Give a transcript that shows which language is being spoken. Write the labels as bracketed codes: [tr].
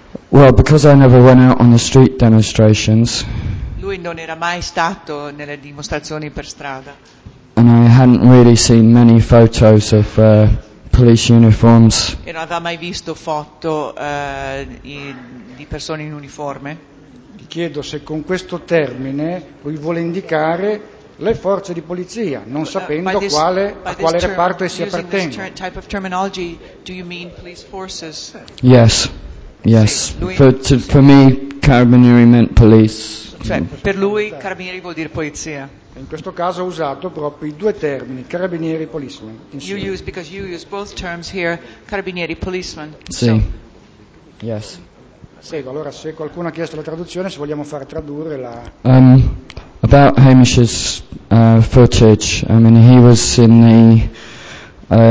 [en] Well, because I never went out on the street demonstrations. [it] Lui non era mai stato nelle dimostrazioni per strada. [en] And I hadn't really seen many photos of police uniforms. [it] E non aveva mai visto foto di persone in uniforme. Gli chiedo se con questo termine lui vuole indicare le forze di polizia, non sapendo quale reparto essi appartengono. [en] By this type of terminology, do you mean police forces? Yes. Yes, for me, carabinieri meant police. [it] Cioè, per lui, carabinieri vuol dire polizia. In questo caso ho usato proprio i due termini, carabinieri e policemen. [en] You use, because you use both terms here, carabinieri e policemen. [it] Sì, [en] yes. [it] Sì, allora se qualcuno ha chiesto la traduzione, se vogliamo far tradurre la... [en] About Hamish's footage, I mean, he was in the...